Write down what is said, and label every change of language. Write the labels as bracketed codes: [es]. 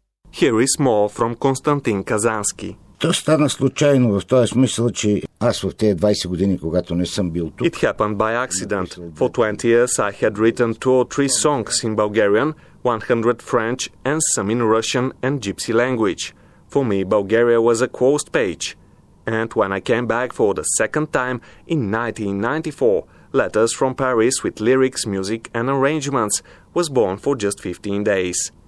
[en] Here is more from Константин Казански. [bg] То стана случайно, в този смисъл, че аз в тези 20 години, когато не съм бил тук... [en] It happened by accident. For 20 years I had written 2 or 3 songs in Bulgarian, 100 French and some in Russian and Gypsy language. For me, Bulgaria was a closed page. And when I came back for the second time in 1994, Letters from Paris with lyrics, music and arrangements was born for just 15 days.